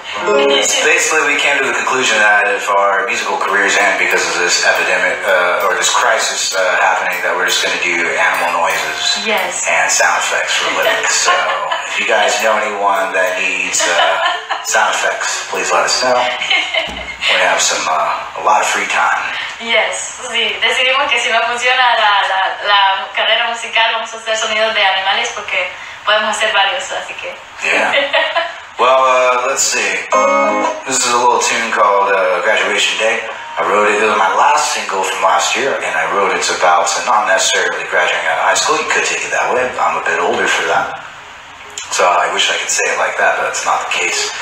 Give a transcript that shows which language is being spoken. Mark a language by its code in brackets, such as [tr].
[en] Basically, we came to the conclusion that if our musical careers end because of this epidemic or this crisis happening, that we're just going to do animal noises. Yes. And sound effects for a living. So if you guys know anyone that needs sound effects, please let us know. We're going to have some, a lot of free time. Yes, sí. [es] Decidimos que si no funciona la carrera musical, vamos a hacer sonidos de animales porque podemos hacer varios, así que... [en] Yeah. Well, let's see. This is a little tune called Graduation Day. I wrote it in my last single from last year, and I wrote it's about not necessarily graduating out of high school. You could take it that way. I'm a bit older for that. So I wish I could say it like that, but that's not the case.